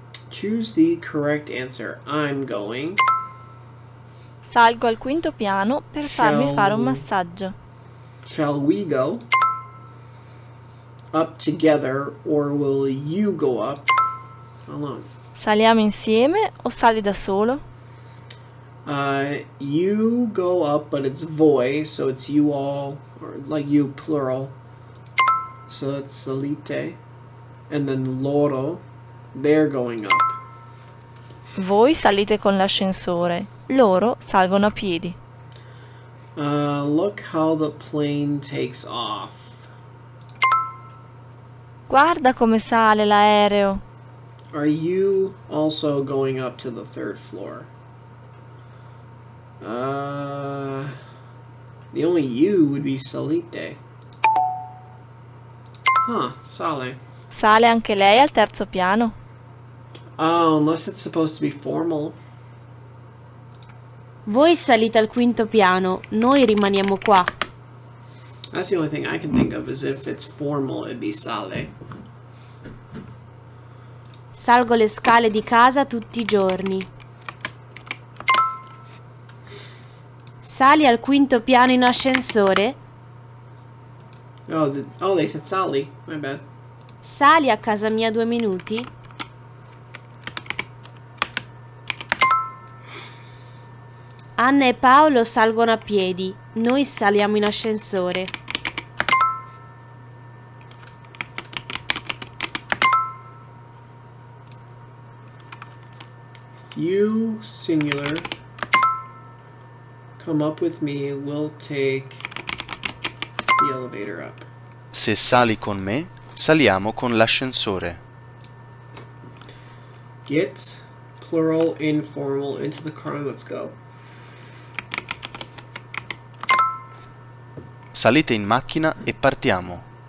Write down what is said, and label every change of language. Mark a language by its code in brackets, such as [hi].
[en] Choose the correct answer. I'm going. [it] Salgo al quinto piano per farmi fare un massaggio. [en] Shall we go up together or will you go up alone? [it] Saliamo insieme o sali da solo? [en] You go up, but it's voi, so it's you all, or like you plural. So it's salite, and then loro, they're going up. [it] Voi salite con l'ascensore, loro salgono a piedi. [en] Look how the plane takes off. [it] Guarda come sale l'aereo. [en] Are you also going up to the third floor? The only you would be salite. [it] Sale. Sale anche lei al terzo piano? [en] Oh, unless it's supposed to be formal. [it] Voi salite al quinto piano, noi rimaniamo qua. [en] That's the only thing I can think of is if it's formal it'd be sale. [it] Salgo le scale di casa tutti i giorni. Sali al quinto piano in ascensore? [en] Oh, they said sali. My bad. [it] Sali a casa mia 2 minuti? Anna e Paolo salgono a piedi. Noi saliamo in ascensore. [en] You singular. Come up with me, we'll take the elevator up. [it] Se sali con me, saliamo con l'ascensore. [en] get plural informal into the car. Let's go. [it] Salite in macchina e partiamo.